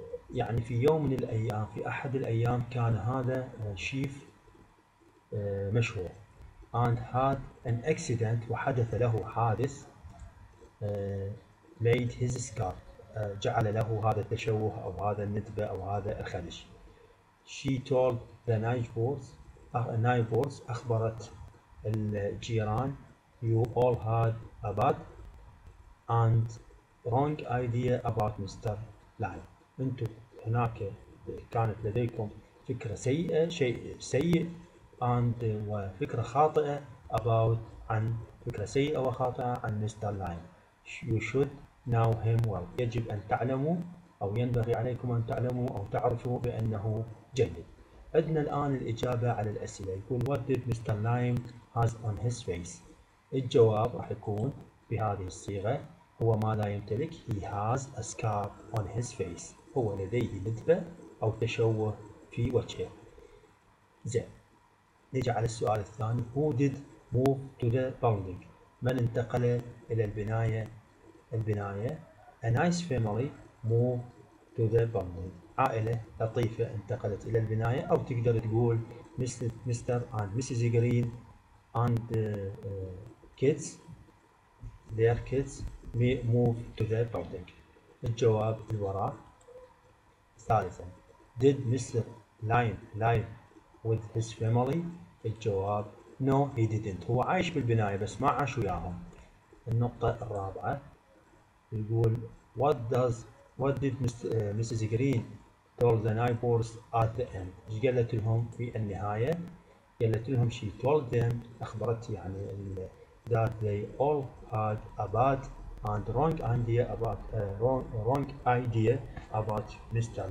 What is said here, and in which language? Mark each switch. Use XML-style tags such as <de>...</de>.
<ar>يعني في يوم من الايام، في احد الايام كان هذا شيف مشهور. And had an accident، وحدث له حادث made his scar، جعل له هذا التشوه أو هذا الندبة أو هذا الخدش.</ar> <en>She told the neighbors، أخبرت الجيران you all had a bad and wrong idea about Mr. Lyon.</en> <ar>أنتم هناك كانت لديكم فكرة سيئة، شيء سيء and وفكرة خاطئة about عن فكرة سيئة وخاطئة عن مستر لاين.</ar> <en>You should know him well.</en> <ar>يجب أن تعلموا أو ينبغي عليكم أن تعلموا أو تعرفوا بأنه جيد. عندنا الآن الإجابة على الأسئلة.</ar> <en>يقول what did Mr.</en> <ar>Lyon has on his face؟ الجواب راح يكون بهذه الصيغة، هو ما لا يمتلك.</ar> <en>He has a scar on his face.</en> <ar>هو لديه ندبة أو تشوه في وجهه. زين، نجي على السؤال الثاني. Who did move to the building؟ من انتقل إلى البناية؟ البناية.</ar> <en>A nice family moved to the building.</en> <ar>عائلة لطيفة انتقلت إلى البناية، أو تقدر تقول Mr.</ar> <en>and Mrs. Green and kids their kids moved to the building.</en> <ar>الجواب الوراء. ثالثا، Did Mr.</ar> <en>Lyon live with his family؟ الجواب No, he didn't.</en> <ar>هو عايش بالبناية بس ما عاش وياهم. النقطة الرابعة يقول What did Mrs.</ar> <en>Green told the neighbors at the end؟ إيش قالت لهم في النهاية؟ قالت لهم she told them، أخبرت يعني that they all had a bad and wrong idea about Mr.</en>